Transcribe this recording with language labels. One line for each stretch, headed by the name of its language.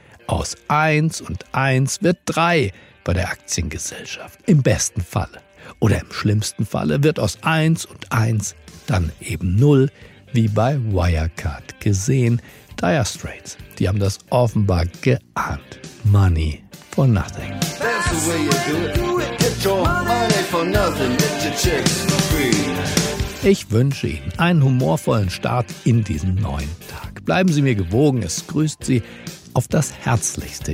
German: Aus 1 und 1 wird 3 bei der Aktiengesellschaft. Im besten Falle oder im schlimmsten Falle wird aus 1 und 1 dann eben 0, wie bei Wirecard gesehen. Dire Straits, die haben das offenbar geahnt.
English: Money for nothing. That's the way you do it. Get your money for nothing. Get your checks for free.
German: Ich wünsche Ihnen einen humorvollen Start in diesen neuen Tag. Bleiben Sie mir gewogen. Es grüßt Sie auf das Herzlichste.